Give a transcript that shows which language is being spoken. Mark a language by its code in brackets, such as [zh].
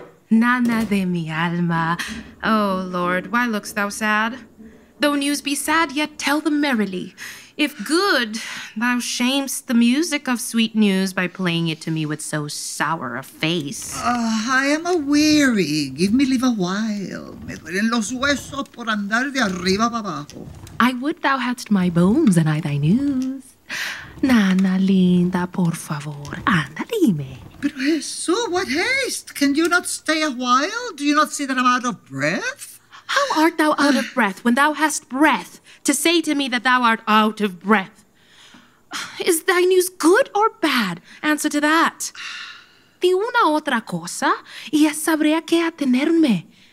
[es] Nana de mi alma. [en] Oh, Lord, why look'st thou sad? Though news be sad, yet tell them merrily. If good, thou shamest the music of sweet news by playing it to me with so sour a face. I am a weary. Give me leave a while. [es] Me duelen los huesos por andar de arriba para abajo. [en] I would thou hadst my bones and I thy news. [es] Nana linda, por favor, anda dime. Pero Jesús, [en] what haste? Can you not stay a while? Do you not see that I'm out of breath? How art thou out of breath when thou hast breath? To say to me that thou art out of breath. Is thy news good or bad? Answer to that. [es] De una otra cosa, y ya sabría qué atenerme.